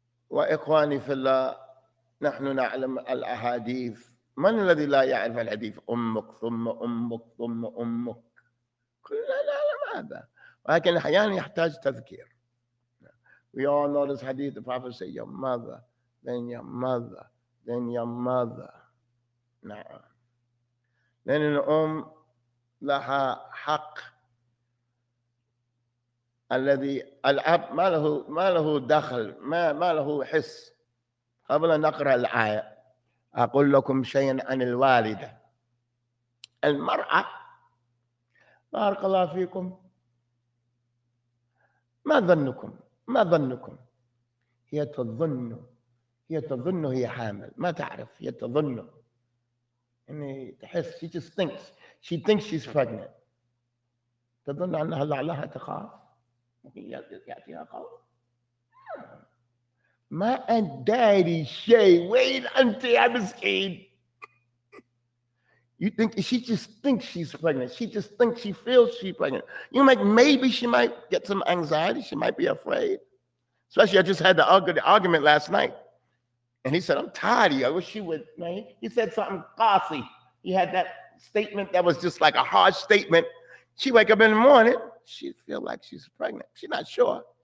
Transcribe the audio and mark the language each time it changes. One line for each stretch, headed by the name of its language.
Arabic: وإخواني في الله، نحن نعلم الأحاديث، من الذي لا يعرف الحديث؟ أمك ثم أمك ثم أمك، كل العالم هذا، ولكن أحيانا يحتاج تذكير.
English: We all know this hadith, the prophet said, your mother, then your mother, then your mother.
Arabic: نعم. لأن الأم لها حق الذي الأب ما له دخل، ما له حس. قبل أن نقرأ الآية أقول لكم شيئا عن الوالدة. المرأة بارك الله فيكم، ما ظنكم هي تظن هي حامل، ما تعرف، هي تظن يعني تحس،
English: she thinks she's pregnant.
Arabic: تظن أنها لعلها تخاف، يأتيها قول ما أنت داري شيء، وين أنت يا مسكين؟
English: You think she just thinks she's pregnant. She just thinks she feels she's pregnant. You know, like maybe she might get some anxiety. She might be afraid. Especially, I just had the argument last night. And he said, I'm tired of you. I wish you would, man. He said something classy. He had that statement that was just like a harsh statement. She wake up in the morning, she feel like she's pregnant. She's not sure.